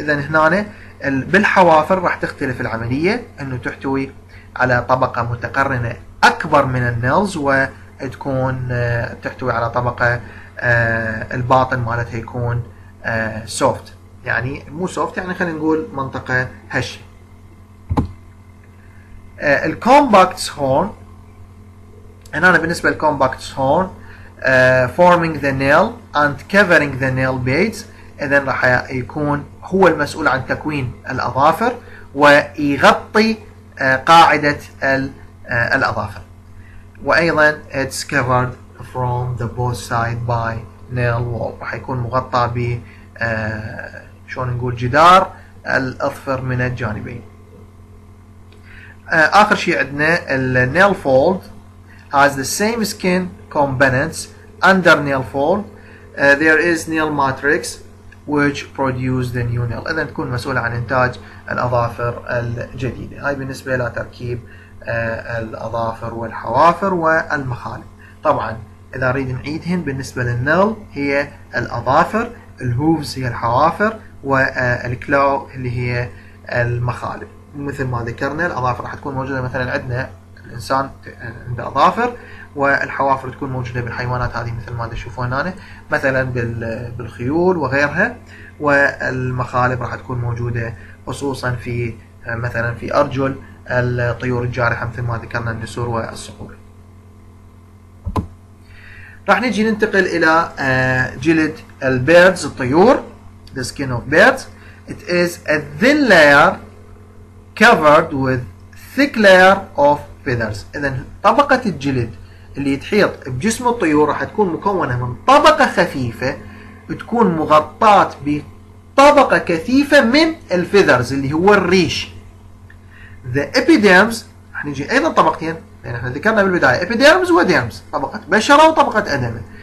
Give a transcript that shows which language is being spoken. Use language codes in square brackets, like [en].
[ar] إذا هنا بالحوافر راح تختلف العملية، إنه تحتوي على طبقة متقرنة أكبر من النيلز، وتكون تحتوي على طبقة الباطن مالتها يكون soft، يعني مو soft يعني خلينا نقول منطقة هشة. [en] الكومباكت هورن، [ar] هنا بالنسبة [en] للكومباكت horn forming the nail and covering the nail beads. [ar] إذا راح يكون هو المسؤول عن تكوين الأظافر ويغطي قاعدة الأظافر، وأيضا [en] it's covered from the both side by [ar] نيل راح يكون مغطى ب شلون نقول جدار الاظفر من الجانبين. اخر شيء عندنا [en] النيل fold has the same skin components under nail fold. There is nail matrix which produce the new nail. [ar] إذن تكون مسؤولة عن إنتاج الأظافر الجديدة. هاي بالنسبة لتركيب الأظافر والحوافر والمخالب. طبعاً إذا أريد نعيدهن بالنسبة للنيل هي الأظافر، الهوفز هي الحوافر، والكلاو اللي هي المخالب. مثل ما ذكرنا الأظافر راح تكون موجودة مثلاً عندنا الإنسان عند أظافر، والحوافر تكون موجودة بالحيوانات هذه مثل ما تشوفون هنا مثلا بالخيول وغيرها، والمخالب راح تكون موجودة خصوصا في مثلا في أرجل الطيور الجارحة مثل ما ذكرنا النسور والصقور. راح نجي ننتقل إلى جلد البيردز الطيور [en] the skin of birds. It is a thin layer covered with thick layer of feathers. [ar] إذن طبقة الجلد اللي تحيط بجسم الطيور راح تكون مكونة من طبقة خفيفة تكون مغطاة بطبقة كثيفة من الفيذرز اللي هو الريش. The epiderms راح نجي أيضا طبقتين، لأن احنا ذكرنا بالبداية epiderms و derms، طبقة بشرة وطبقة أدمة.